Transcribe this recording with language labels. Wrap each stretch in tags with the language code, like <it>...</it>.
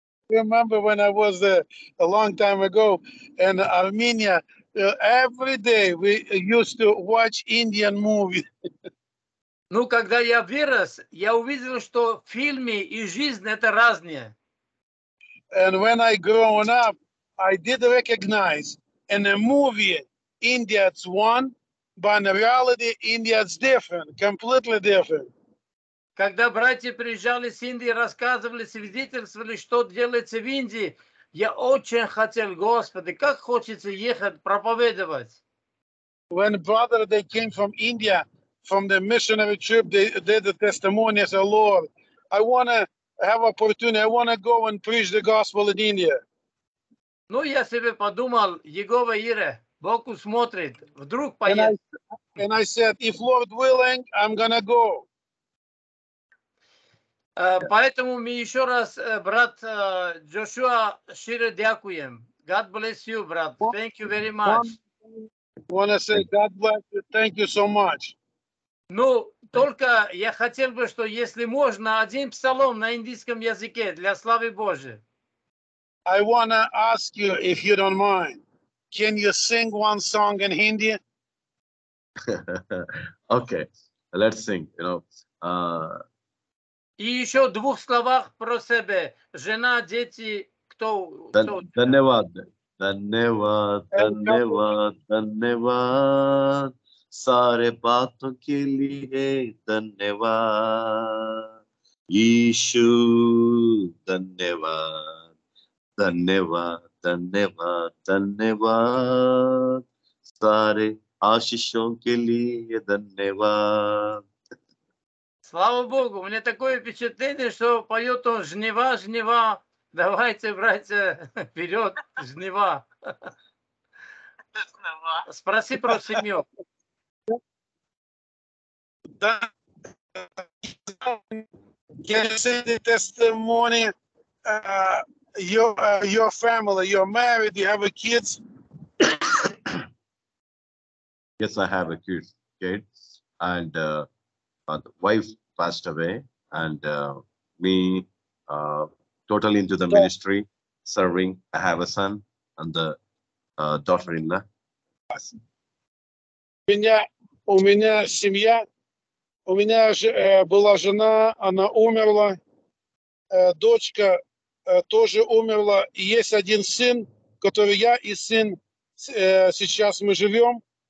<en>Remember when I was there a long time ago in Armenia, every day we used to watch Indian movie.</en> <ru>Ну, когда я вырос, я увидел, что фильмы и жизнь это разные.</ru> <en>And when I grown up, I did recognize in a movie India is one, but in reality India is different, completely different.</en> <ru>Когда братья приезжали с Индии, рассказывали, свидетельствовали, что делается в Индии, я очень хотел, Господи, как хочется ехать проповедовать.</ru> <en>When brother they came from India, from the missionary trip, they did the testimony as a Lord. I want to have opportunity, I want to go and preach the gospel in India.</en> <ru>Ну, я себе подумал, Егова Ире, Бог усмотрит, вдруг поедет.</ru> <en>And I said, if Lord willing, I'm going to go.</en> <ru>Поэтому мы еще раз, брат Джошуа,</ru> <uk>шире дякуем.</uk> <en>God bless you, брат. Thank you very much. I want to say God bless you. Thank you so much.</en> <ru>Ну, только я хотел бы, что если можно, один псалом на индийском языке для славы Божьей.</ru> <en>I want to ask you, if you don't mind, can you sing one song in Hindi? Okay, let's sing, you know.</en> <ru>И еще двух словах про себя. Жена, дети, кто?</ru> <hi>Данавад. धन्यवाद धन्यवाद धन्यवाद सारे पापों के लिए धन्यवाद यीशु धन्यवाद धन्यवाद धन्यवाद धन्यवाद सारे आशीषों के लिए धन्यवाद</hi> <ru>Слава Богу, у меня такое впечатление, что поет он жнива, жнива. Давайте, братья, вперед, жнива. Спроси про семью.</ru> <en>Да. Can you say the testimony? Your family, you're married, you have a kids? Yes, I have a kids. Kids and the wife. Passed away, and me totally into the ministry, serving. I have a son and the daughter-in-law.</en> <ru>У меня семья. У меня была жена, она умерла. Дочка тоже умерла. И есть один сын, который я и сын сейчас мы живем.</ru>